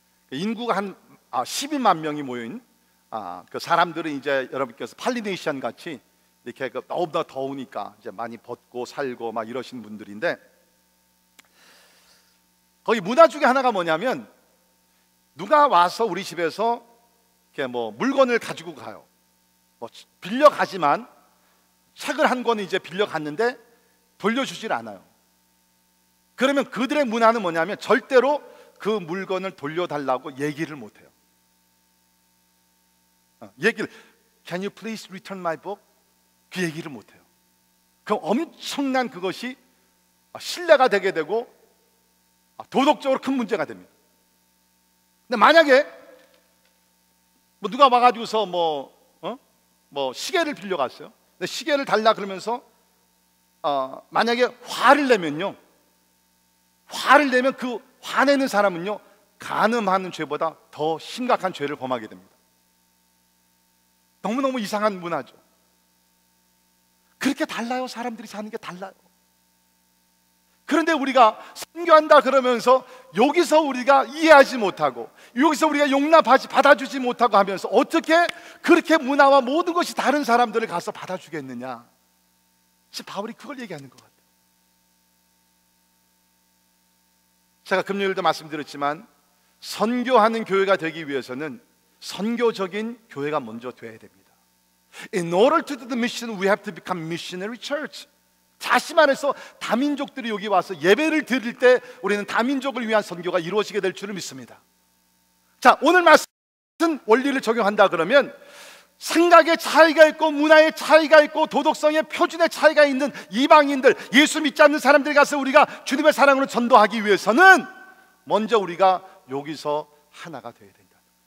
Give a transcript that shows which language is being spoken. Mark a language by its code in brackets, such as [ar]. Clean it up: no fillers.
[ko] 인구가 한 12만 명이 모여인 그 사람들은 이제 여러분께서 팔리네시안 같이 이렇게 그 너무나 더우니까 이제 많이 벗고 살고 막 이러신 분들인데, 거기 문화 중에 하나가 뭐냐면 누가 와서 우리 집에서 이렇게 뭐 물건을 가지고 가요. 뭐 빌려 가지만 책을 한 권 이제 빌려 갔는데 돌려주질 않아요. 그러면 그들의 문화는 뭐냐면 절대로 그 물건을 돌려달라고 얘기를 못 해요. 얘기를 [en] Can you please return my book? [ko] 그 얘기를 못 해요. 그럼 엄청난 그것이 신뢰가 되게 되고 도덕적으로 큰 문제가 됩니다. 근데 만약에 뭐 누가 와가지고서 뭐 시계를 빌려갔어요. 근데 시계를 달라 그러면서 만약에 화를 내면요, 화를 내면 그 화내는 사람은요 간음하는 죄보다 더 심각한 죄를 범하게 됩니다. 너무너무 이상한 문화죠. 그렇게 달라요. 사람들이 사는 게 달라요. 그런데 우리가 선교한다 그러면서 여기서 우리가 이해하지 못하고 여기서 우리가 용납하지 받아주지 못하고 하면서 어떻게 그렇게 문화와 모든 것이 다른 사람들을 가서 받아주겠느냐. 지금 바울이 그걸 얘기하는 것 같아요. 제가 금요일도 말씀드렸지만 선교하는 교회가 되기 위해서는 선교적인 교회가 먼저 돼야 됩니다. [en] In order to do the mission, we have to become missionary church. [ko] 다시 말해서 다민족들이 여기 와서 예배를 드릴 때 우리는 다민족을 위한 선교가 이루어지게 될 줄을 믿습니다. 자, 오늘 말씀은 원리를 적용한다 그러면 생각의 차이가 있고 문화의 차이가 있고 도덕성의 표준의 차이가 있는 이방인들, 예수 믿지 않는 사람들이 가서 우리가 주님의 사랑으로 전도하기 위해서는 먼저 우리가 여기서 하나가 돼야 됩니다.